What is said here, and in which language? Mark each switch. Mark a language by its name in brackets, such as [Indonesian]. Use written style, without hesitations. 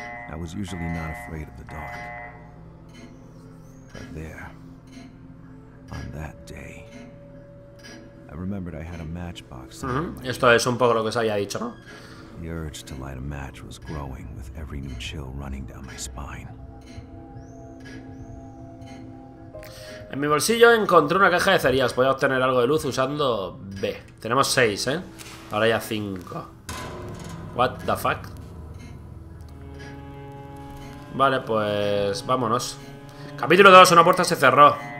[English] I was usually not afraid of the dark. But there, on that day, I remembered I had a matchbox. [Spanish] Esto es un poco lo que os había dicho, ¿no? [English] The urge to light a match was growing with every new chill running down my spine. [Spanish] En mi bolsillo encontré una caja de cerillas. Voy a obtener algo de luz usando B. Tenemos 6, ¿eh? Ahora ya 5. [English] What the fuck? [Spanish] Vale, pues vámonos. Capítulo 2, una puerta se cerró.